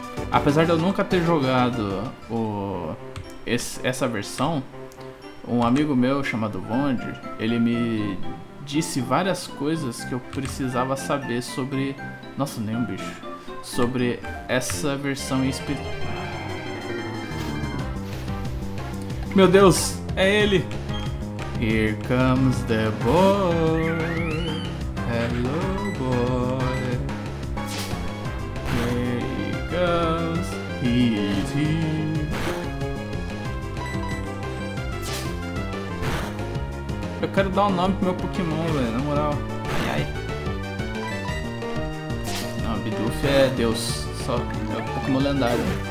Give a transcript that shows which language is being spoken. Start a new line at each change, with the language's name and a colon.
Portuguese: Apesar de eu nunca ter jogado essa versão, um amigo meu chamado Bond, ele me disse várias coisas que eu precisava saber sobre... Nossa, nem um bicho. Sobre essa versão em Meu Deus, é ele!
English: Here comes the boy. Hello boy, here he comes, he is here.
Portuguese: Eu quero dar um nome pro meu Pokémon, velho, na moral. Ai ai. Não, Bidoof é Deus, só é o Pokémon lendário.